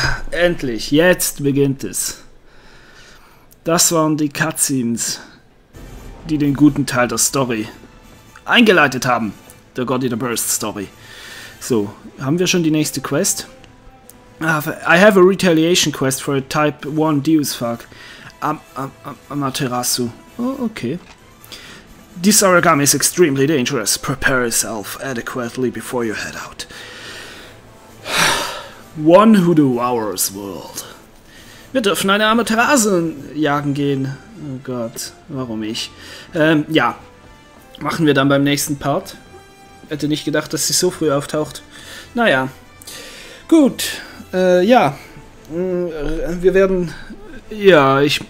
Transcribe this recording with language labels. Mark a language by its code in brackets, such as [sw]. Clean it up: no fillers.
[de] Endlich, jetzt beginnt es. Das waren die Cutscenes, die den guten Teil der Story eingeleitet haben. Der God Eater Burst Story. So, haben wir schon die nächste Quest? [en] I have a retaliation quest for a Type 1 Deus Fuck. Amaterasu. Oh, okay. This origami is extremely dangerous. Prepare yourself adequately before you head out. One who devours world. [de] Wir dürfen eine Amaterasu jagen gehen. Oh Gott, warum ich? Ja. Machen wir dann beim nächsten Part. Hätte nicht gedacht, dass sie so früh auftaucht. Naja. Gut. Ja. Wir werden... Ja, ich...